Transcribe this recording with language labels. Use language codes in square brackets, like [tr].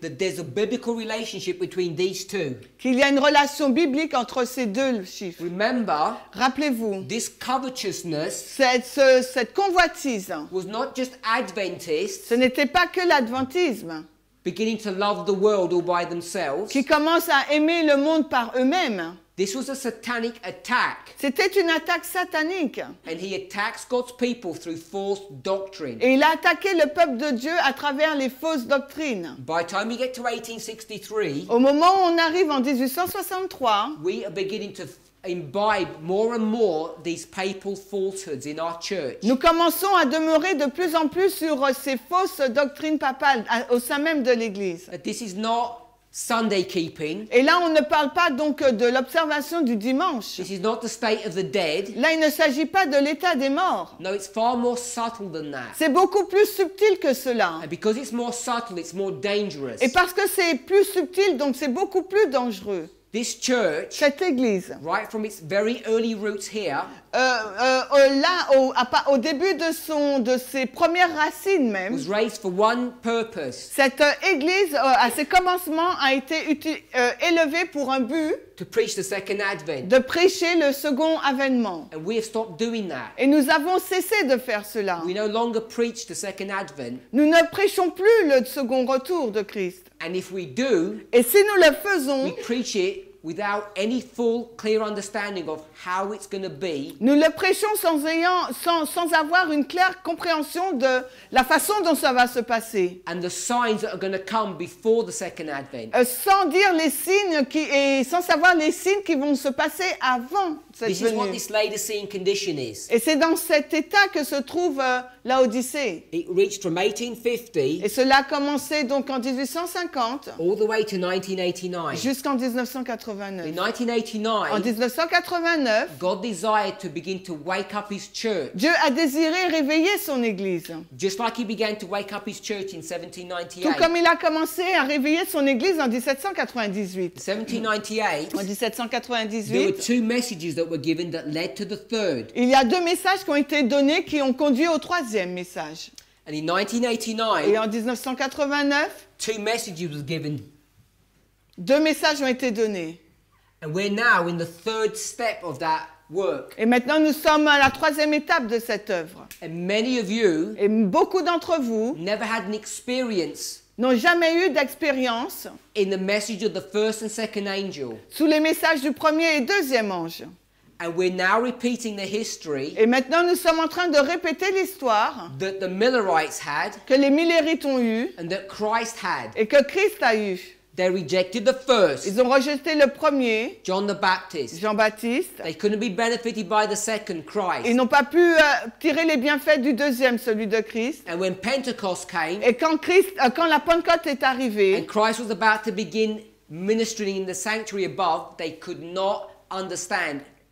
[en] that there's a biblical relationship between these two. [fr] Qu'il y a une relation biblique entre ces deux chiffres. [en] Remember, [fr] rappelez-vous, [en] this covetousness, [fr] cette convoitise, [en] was not just Adventist, [fr] ce n'était pas que l'adventisme, [en] beginning to love the world all by themselves, [fr] qui commence à aimer le monde par eux-mêmes. [en] This was a satanic attack. [fr] C'était une attaque satanique. [en] And he attacks God's people through false doctrine. [fr] Et il a attaqué le peuple de Dieu à travers les fausses doctrines. [en] By the time we get to 1863, [fr] au moment où on arrive en 1863, [en] we are beginning to imbibe more and more these papal falsehoods in our church. [fr] Nous commençons à demeurer de plus en plus sur ces fausses doctrines papales au sein même de l'église. [en] This is not Sunday keeping. [fr] Et là, on ne parle pas donc de l'observation du dimanche. [en] This is not the state of the dead. [fr] Là, il ne s'agit pas de l'état des morts. [en] No, it's far more subtle than that. [fr] C'est beaucoup plus subtil que cela. [en] And because it's more subtle, it's more dangerous. [fr] Et parce que c'est plus subtil, donc c'est beaucoup plus dangereux. [en] This church, [fr] cette église, [en] right from its very early roots here, [fr] au début de son de ses premières racines même, [en] was raised for one purpose. [fr] Cette église à ses commencements a été élevée pour un but, [en] to preach the second advent. [fr] De prêcher le second avènement. [en] And we have stopped doing that. [fr] Et nous avons cessé de faire cela. [en] We no longer preach the second advent. [fr] Nous ne prêchons plus le second retour de Christ. [en] And if we do, [fr] et si nous le faisons, [en] we preach it without any full clear understanding of how it's going to be. [fr] Nous le prêchons sans avoir une claire compréhension de la façon dont ça va se passer. [en] And the signs that are going to come before the second advent. [fr] Sans dire les signes qui et sans savoir les signes qui vont se passer avant cette [en] venue. This is what this Laodicean condition is. [fr] Et c'est dans cet état que se trouve Laodicée. [en] It reached from 1850. [fr] Et cela a commencé donc en 1850. [en] All the way to 1989. [fr] Jusqu'en 1989. [en] In 1989, [fr] en 1989, [en] God desired to begin to wake up His church. [fr] Dieu a désiré réveiller son église. [en] Just like He began to wake up His church in 1798. [fr] Tout comme il a commencé à réveiller son église en 1798. [en] 1798. [fr] En 1798. [en] There were two messages that were given that led to the third. [fr] Il y a deux messages qui ont été donnés qui ont conduit au troisième message. [en] And in 1989. [fr] Et en 1989. [en] Two messages were given. [fr] Deux messages ont été donnés. [en] And we're now in the third step of that work. [fr] Et maintenant, nous sommes à la troisième étape de cette œuvre. [en] And many of you, [fr] et beaucoup d'entre vous, [en] never had an experience, [fr] n'ont jamais eu d'expérience, [en] in the message of the first and second angel, [fr] sous les messages du premier et deuxième ange. [en] And we're now repeating the history, [fr] et maintenant, nous sommes en train de répéter l'histoire, [en] that the Millerites had, [fr] que les Millerites ont eu, [en] and that Christ had, [fr] et que Christ a eu. [en] They rejected the first. [fr] Ils ont rejeté le premier. [en] John the Baptist. [fr] Jean-Baptiste. [en] They couldn't be benefited by the second Christ. [fr] Ils n'ont pas pu tirer les bienfaits du deuxième, celui de Christ. [en] And when Pentecost came. [fr] Et quand Christ, quand la Pentecôte est arrivée. [en] And Christ was about to begin ministering in the sanctuary above, they could not understand.